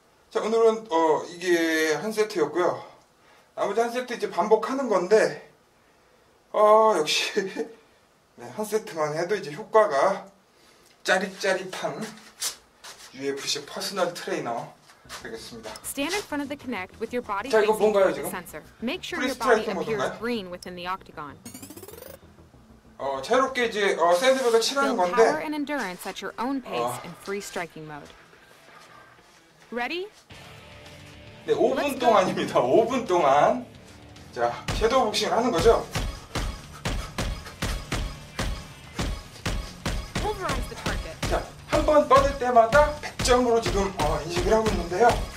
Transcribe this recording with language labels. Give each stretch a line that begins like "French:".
Korean: 자, 오늘은 이게 한 세트였고요. 나머지 한 세트 이제 반복하는 건데 역시 네, 한 세트만 해도 이제 효과가 짜릿짜릿한 UFC 퍼스널 트레이너 되겠습니다.
English: Stand in front of the connect with your body.
Korean: 자, 이거 뭔가요, 지금?
English: Make sure your body appears green within the octagon.
Korean: 자유롭게 이제 샌드백을 칠하는 건데.
English: Power and endurance at your own pace in free striking mode. Ready?
Korean: 네, 5분 동안입니다. 5분 동안 자, 섀도우 복싱을 하는 거죠.
English: Pulverize the target.
Korean: 자, 한 번 뻗을 때마다 100점으로 지금 인식을 하고 있는데요.